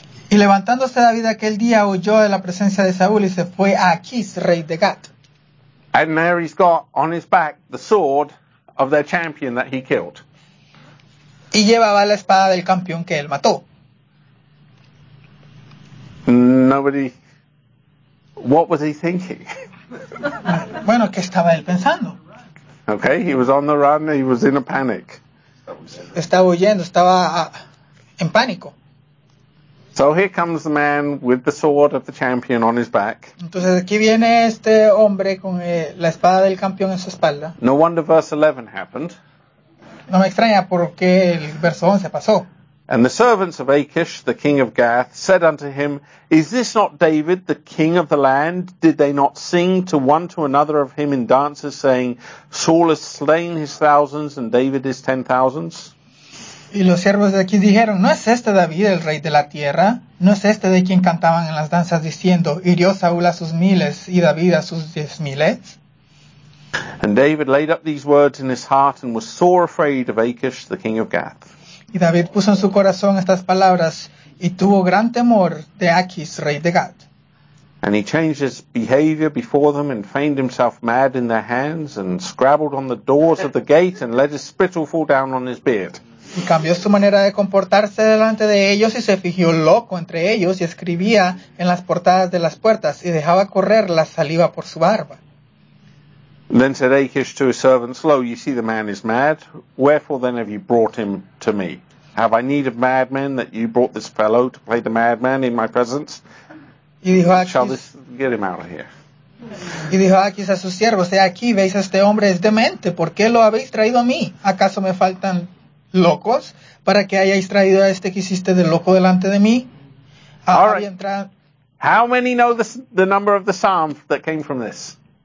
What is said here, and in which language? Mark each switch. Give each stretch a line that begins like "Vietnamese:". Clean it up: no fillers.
Spanish: Y levantándose David aquel día, huyó de la presencia de Saúl y se fue a Achish, rey de Gath.
English: And there he's got on his back the sword of their champion that he killed.
Spanish: Y llevaba la espada del campeón que él mató.
English: Nobody. What was he thinking?
Spanish: Bueno, ¿qué estaba él pensando?
English: Okay, he was on the run, he was in a panic.
Spanish: Estaba huyendo, estaba en pánico.
English: So here comes the man with the sword of the champion on his back.
Spanish: Entonces aquí viene este hombre con la espada del campeón en su espalda.
English: No wonder verse 11 happened.
Spanish: No me extraña porque el verso 11 pasó.
English: And the servants of Achish, the king of Gath, said unto him, Is this not David, the king of the land? Did they not sing to one to another of him in dances, saying, Saul has slain his thousands, and David his 10,000s?
Spanish: Y los siervos de aquí dijeron, ¿No es este David el rey de la tierra? ¿No es este de quien cantaban en las danzas diciendo, Hirió Saúl a sus miles, y David a sus 10,000s?
English: And David laid up these words in his heart, and was sore afraid of Achish, the king of Gath.
Spanish: Y David puso en su corazón estas palabras y tuvo gran temor de Achish, rey de Gad.
English: And he changed his behavior before them and feigned himself mad in their hands and scrabbled on the doors of the gate and let his spittle fall down on his beard.
Spanish: Y cambió su manera de comportarse delante de ellos y se fingió loco entre ellos y escribía en las portadas de las puertas y dejaba correr la saliva por su barba.
English: Then said Achish to his servants, Lo, you see the man is mad. Wherefore then have you brought him to me? Have I need of madmen that you brought this fellow to play the madman in my presence?
Spanish: Y dijo Achish,
English: Shall this get him out of here?
Spanish: Y dijo Achish a sus siervos, aquí veis este hombre es demente. ¿Por qué lo habéis traído a mí? ¿Acaso me faltan locos para que hayáis traído a este que hiciste de loco delante de mí?
English: All right. How many know the number of the psalm that came from this?